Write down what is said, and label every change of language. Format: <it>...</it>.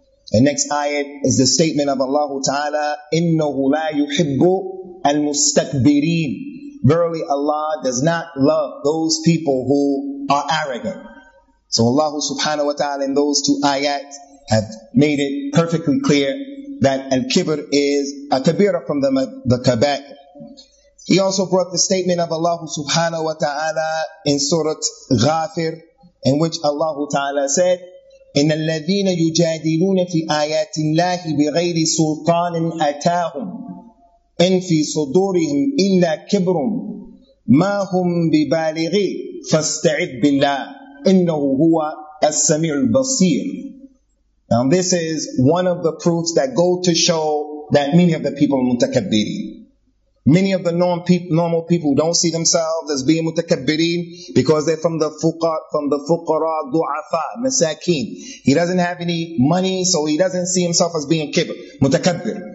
<en>The next ayat is the statement of Allah Ta'ala,</en> <ar>إِنَّهُ لَا يُحِبُّ الْمُسْتَكْبِرِينَ.</ar> <en>Verily Allah does not love those people who are arrogant. So Allah subhanahu wa ta'ala in those two ayat have made it perfectly clear that Al-Kibr is a kabira from the kabair. He also brought the statement of Allah subhanahu wa ta'ala in Surah Ghafir, in which Allah ta'ala said,</en> <ar>إِنَّ الَّذِينَ يُجَادِلُونَ فِي آيَاتِ اللَّهِ بِغَيْرِ سُلْطَانٍ أَتَاهُمْ إِنْ فِي صُدُورِهِمْ إِلَّا كِبْرٌ مَا هُمْ بِبَالِغِ فَاسْتَعِذْ بِاللَّهِ إِنَّهُ هُوَ السَّمِيعُ الْبَصِيرُ.</ar> <en>Now this is one of the proofs that go to show that many of the people are mutakabbirin. Many of the normal people don't see themselves as being mutakabbirin because they're from the fuqara, du'afa, masakin. He doesn't have any money, so he doesn't see himself as being kibr, mutakabbir.</en>